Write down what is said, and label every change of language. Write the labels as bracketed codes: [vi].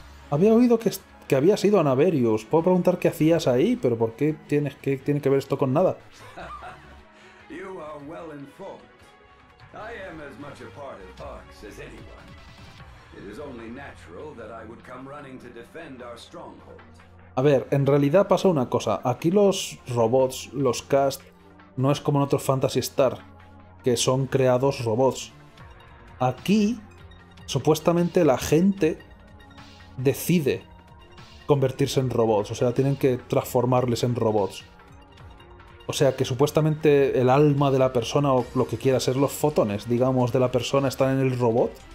[es] Había oído que habías ido a Naverius. Puedo preguntar qué hacías ahí, pero ¿por qué tienes que tiene que ver esto con nada? [en] You are well informed. I am as much a part of Arx as anyone. It is only natural that I would come running to defend our stronghold. [es] A ver, en realidad pasa una cosa. Aquí los robots, los cast, no es como en otros Phantasy Star, que son creados robots. Aquí, supuestamente, la gente decide convertirse en robots. O sea, tienen que transformarles en robots. O sea, que supuestamente el alma de la persona o lo que quiera ser los fotones, digamos, de la persona están en el robot.